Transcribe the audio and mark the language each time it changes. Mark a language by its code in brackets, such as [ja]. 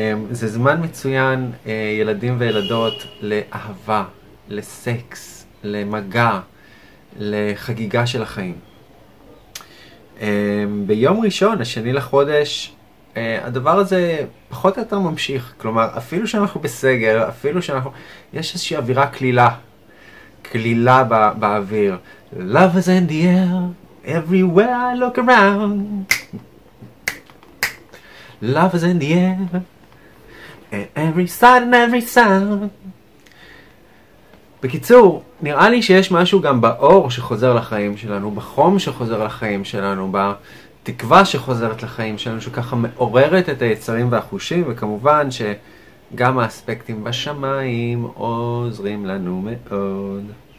[he] זה זמן מצוין, ילדים וילדות, לאהבה, לסקס, למגע, לחגיגה של החיים. ביום ראשון, השני לחודש, הדבר הזה פחות או יותר ממשיך. כלומר, אפילו שאנחנו בסגר, אפילו שאנחנו... יש איזושהי אווירה כלילה. כלילה באוויר. [en] Love is in the air, everywhere I look around. Love is in the air, every sight and every sound. [he] בקיצור, נראה לי שיש משהו גם באור שחוזר לחיים שלנו, בחום שחוזר לחיים שלנו, בתקווה שחוזרת לחיים שלנו, שככה מעוררת את היצרים והחושים, וכמובן שגם האספקטים בשמיים עוזרים לנו מאוד.